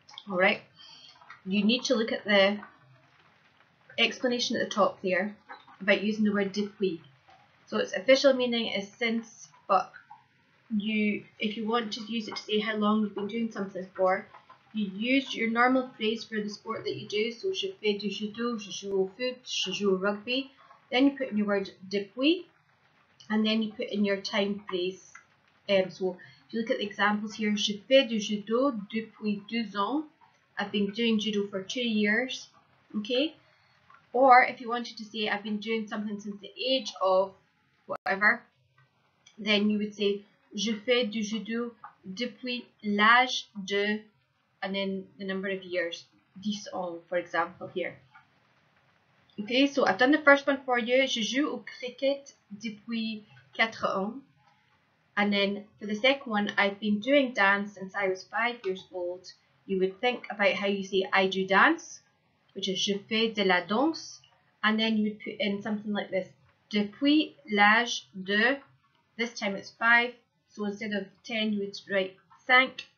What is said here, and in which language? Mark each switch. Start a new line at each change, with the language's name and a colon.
English: All right, you need to look at the explanation at the top there about using the word depuis. So its official meaning is since, but if you want to use it to say how long you've been doing something for, you use your normal phrase for the sport that you do.
French: So je fais du judo, je joue au foot, je joue au rugby.
English: Then you put in your word depuis, and then you put in your time phrase. So if you look at the examples here,
French: je fais du judo depuis 2 ans.
English: I've been doing judo for 2 years. Okay. Or if you wanted to say, I've been doing something since the age of whatever, then you would say,
French: je fais du judo depuis l'âge de,
English: and then the number of years,
French: 10 ans,
English: for example, here. Okay, so I've done the first one for you.
French: Je joue au cricket depuis 4 ans.
English: And then for the second one, I've been doing dance since I was 5 years old. You would think about how you say, I do dance, which is
French: je fais de la danse,
English: and then you would put in something like this,
French: depuis l'âge de,
English: this time it's 5, so instead of 10 you would write 5,